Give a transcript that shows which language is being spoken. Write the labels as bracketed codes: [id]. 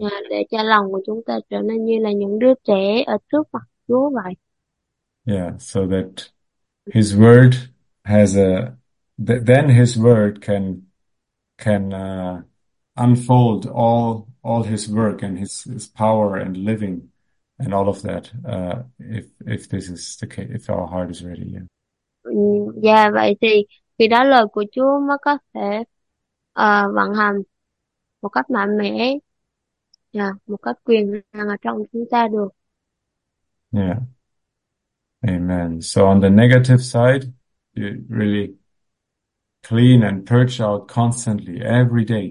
[vi] Để cho lòng của chúng ta trở nên như là những đứa trẻ ở trước mặt Chúa vậy. [en] So that his word has a th then his word can unfold all his work and his power and living and all of that, if this is the case, if our heart is ready. [vi] Vậy thì khi đó lời của Chúa mới có thể vận hành một cách mạnh mẽ. Một cách quyền năng ở trong chúng ta được. Amen. [en] So on the negative side, you really clean and purge out constantly, every day.